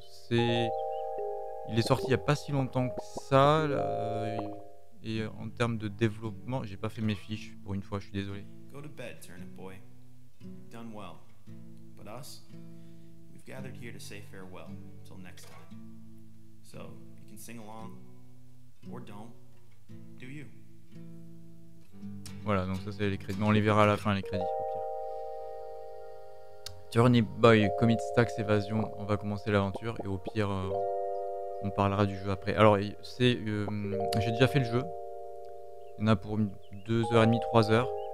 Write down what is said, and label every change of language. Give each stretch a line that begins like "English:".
French: Il est sorti il n'y a pas si longtemps que ça. Et en termes de développement, j'ai pas fait mes fiches pour une fois, je suis désolé.
English: Go to bed, Turnip Boy. Done well. But us, we've gathered here to say farewell till next time. So, you can sing along or don't. Do you?
French: Voilà, donc ça c'est les crédits. Mais on les verra à la fin, les crédits, au pire. Turnip Boy, Commits Tax Evasion. On va commencer l'aventure et au pire, on parlera du jeu après. Alors, j'ai déjà fait le jeu. Il y en a pour 2h30, 3h.